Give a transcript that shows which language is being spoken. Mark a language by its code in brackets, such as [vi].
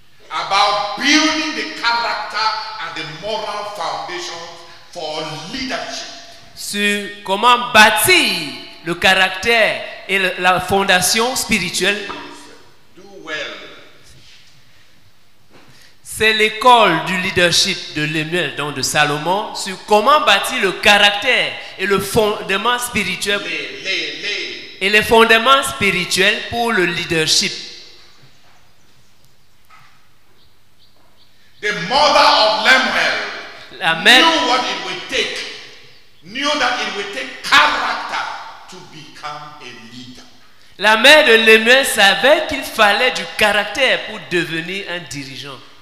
[en] About building the character and the moral foundation for leadership. [fr] Sur comment bâtir le caractère et la fondation spirituelle. [en] Do well. [fr] C'est l'école du leadership de Lemuel, donc de Salomon, sur comment bâtir le caractère et le fondement spirituel et les fondements spirituels pour le leadership. [en] The mother of Lemuel, [fr] la mère, [en] knew what it would take, knew that it would take character to become a leader. [fr] La mère de Lemuel savait qu'il fallait du caractère pour devenir un dirigeant.